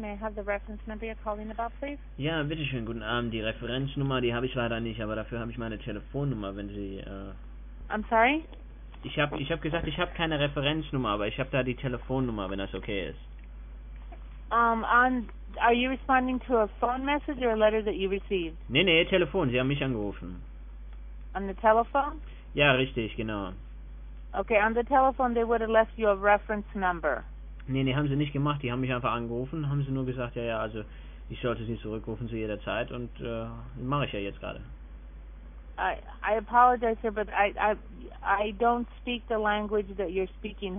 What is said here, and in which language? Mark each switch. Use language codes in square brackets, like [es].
[en] May I have the reference number you're calling about, please? [de] Ja, bitteschön. Guten Abend. Die Referenznummer, die habe ich leider nicht, aber dafür habe ich meine Telefonnummer, wenn Sie... [en] I'm sorry? [de] Ich hab gesagt, ich habe keine Referenznummer, aber ich habe da die Telefonnummer, wenn das okay ist. [en] Are you responding to a phone message or a letter that you received? [de] Nee, Telefon. Sie haben mich angerufen. [en] On the telephone? [de] Ja, richtig, genau. [en] Okay, on the telephone they would have left you a reference number. [de] Nee, haben sie nicht gemacht. Die haben mich einfach angerufen, haben sie nur gesagt, ja, also ich sollte sie zurückrufen zu jeder Zeit und mache ich ja jetzt gerade. [en] I apologize, sir, but I don't speak the language that you're speaking.